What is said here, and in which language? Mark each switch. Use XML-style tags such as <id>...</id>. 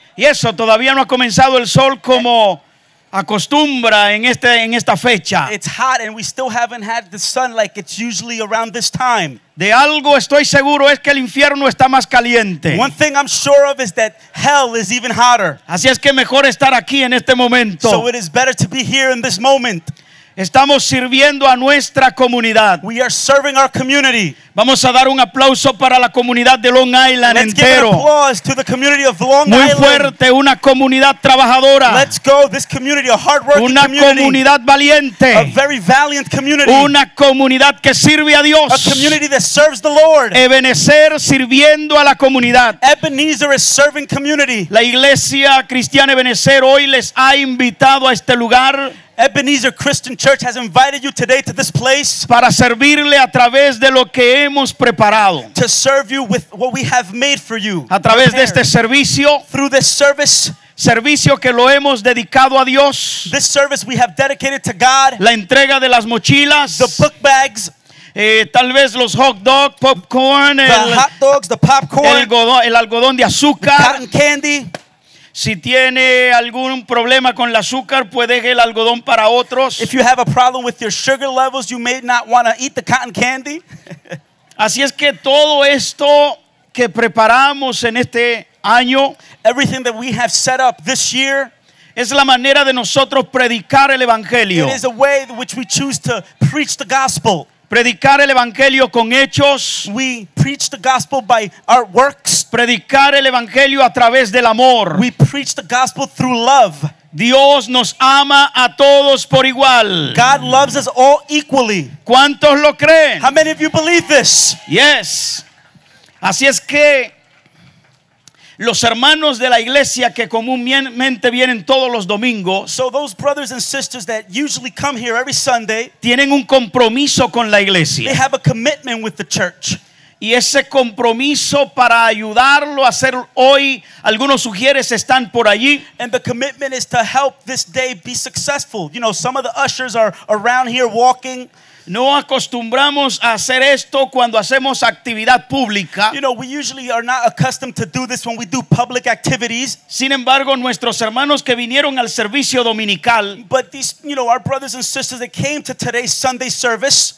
<es>Y eso, todavía no ha comenzado el sol como acostumbra en este, en esta fecha.</es> <en>It's hot and we still haven't had the sun like it's usually around this time.</en> <es>De algo estoy seguro es que el infierno está más caliente.</es> <en>One thing I'm sure of is that hell is even hotter.</en> <es>Así es que mejor estar aquí en este momento.</es> <en>So it is better to be here in this moment.</en> <es>Estamos sirviendo a nuestra comunidad.</es> <en>We are serving our community.</en> <es>Vamos a dar un aplauso para la comunidad de Long Island</es> <en>Let's</en> <es>entero.</es> <en>Give an applause to the community of Long Island.</en> <es>Muy fuerte, una comunidad trabajadora.</es> <en>Let's go, this community, a hard-working</en> <es>una</es> <en>community.</en> <es>Comunidad valiente.</es> <en>A very valiant community.</en> <es>Una comunidad que sirve a Dios.</es> <en>A community that serves the Lord.</en> <es>Ebenezer sirviendo a la comunidad.</es> <en>Ebenezer is serving community.</en> <es>La iglesia cristiana Ebenezer hoy les ha invitado a este lugar.</es> <en>Ebenezer Christian Church has invited you today to this place</en> <es>para servirle a través de lo que hemos preparado.</es> <en>To serve you with what we have made for you.</en> <es>A través prepared. De este servicio.</es> <en>Through this service.</en> <es>Servicio que lo hemos dedicado a Dios.</es> <en>This service we have dedicated to God.</en> <es>La entrega de las mochilas.</es> <en>The book bags.</en> <es>Tal vez los hot dogs, popcorn.</es> <en>The hot dogs, the popcorn.</en> <es>El algodón de azúcar.</es> <en>The cotton candy.</en> <es>Si tiene algún problema con el azúcar, puede dejar el algodón para otros.</es> <en>If you have a problem with your sugar levels, you may not want to eat the cotton candy.</en> <es>Así es que todo esto que preparamos en este año,</es> <en>everything that we have set up this year,</en> <es>es la manera de nosotros predicar el evangelio.</es> <en>It is a way in which we choose to preach the gospel.</en> <es>Predicar el evangelio con hechos.</es> <en>We preach the gospel by our works.</en> <es>Predicar el evangelio a través del amor.</es> <en>We preach the gospel through love.</en> <es>Dios nos ama a todos por igual.</es> <en>God loves us all equally.</en> <es>¿Cuántos lo creen?</es> <en>How many of you believe this? Yes.</en> <es>Así es que los hermanos de la iglesia que comúnmente vienen todos los domingos,</es> <en>so those brothers and sisters that usually come here every Sunday,</en> <es>tienen un compromiso con la iglesia.</es> <en>They have a commitment with the church.</en> <es>Y ese compromiso para ayudarlo a hacer hoy, algunos sugieres están por allí.</es> <en>And the commitment is to help this day be successful. You know, some of the ushers are around here walking.</en> <es>No acostumbramos a hacer esto cuando hacemos actividad pública.</es> <en>You know, we usually are not accustomed to do this when we do public activities.</en> <es>Sin embargo, nuestros hermanos que vinieron al servicio dominical,</es> <en>but these, you know, our brothers and sisters that came to today's Sunday service,</en>